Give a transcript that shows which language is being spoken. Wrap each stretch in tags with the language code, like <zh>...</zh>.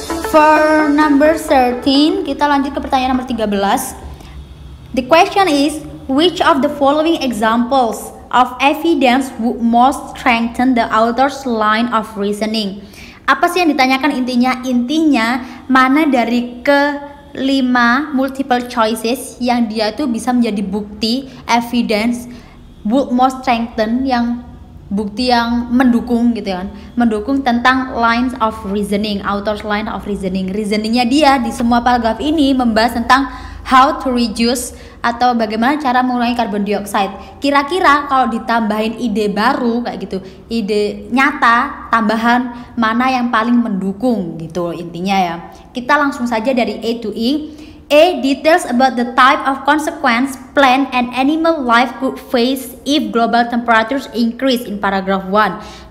<en>For number 13,</en> <id>kita lanjut ke pertanyaan nomor 13.</id> <en>The question is, which of the following examples of evidence would most strengthen the author's line of reasoning?</en> <id>Apa sih yang ditanyakan intinya? Intinya, mana dari kelima multiple choices yang dia tuh bisa menjadi bukti, evidence,</id> <en>would most strengthen,</en> <id>yang bukti yang mendukung gitu kan, mendukung tentang lines of reasoning,</id> <en>author's line of reasoning.</en> <id>Reasoningnya dia di semua paragraf ini membahas tentang</id> <en>how to reduce</en> <id>atau bagaimana cara mengurangi carbon dioxide. Kira-kira kalau ditambahin ide baru kayak gitu, ide nyata tambahan, mana yang paling mendukung gitu intinya ya. Kita langsung saja dari A to E.</id> <en>A, details about the type of consequence plant and animal life could face if global temperatures increase in paragraph 1.</en>